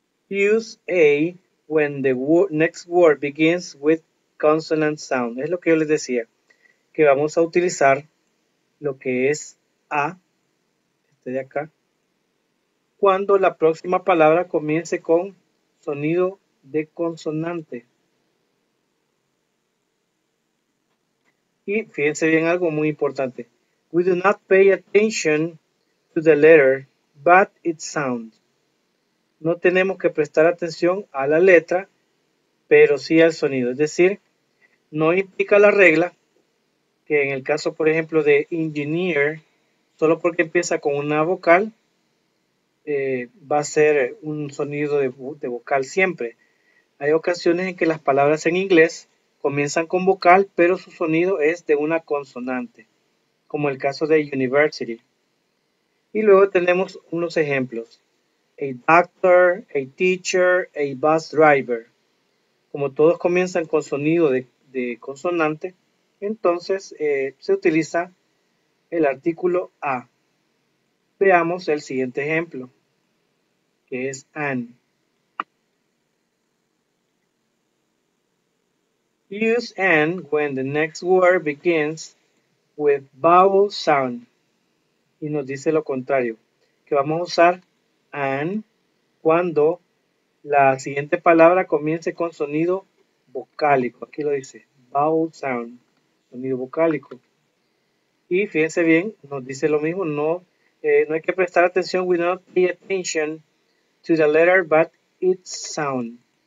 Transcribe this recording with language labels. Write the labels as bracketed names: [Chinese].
[English] Use A when the next word begins with consonant sound. [Spanish] Es lo que yo les decía, que vamos a utilizar lo que es A, este de acá, cuando la próxima palabra comience con sonido de consonante. Y fíjense bien algo muy importante. [English] We do not pay attention to the letter, but its sound. [Spanish] No tenemos que prestar atención a la letra, pero sí al sonido. Es decir, no implica la regla que en el caso, por ejemplo, de engineer, solo porque empieza con una vocal, va a ser un sonido de vocal siempre. Hay ocasiones en que las palabras en inglés comienzan con vocal, pero su sonido es de una consonante, como el caso de university. Y luego tenemos unos ejemplos. A doctor, a teacher, a bus driver. Como todos comienzan con sonido de consonante, entonces se utiliza el artículo a. Veamos el siguiente ejemplo, que es an. [English] Use an when the next word begins with vowel sound. [Spanish] Y nos dice lo contrario, que vamos a usar an cuando la siguiente palabra comience con sonido vocálico. Aquí lo dice, vowel sound, sonido vocálico. Y fíjense bien, nos dice lo mismo, no hay que prestar atención, [English] we don't pay attention to the letter, but its sound.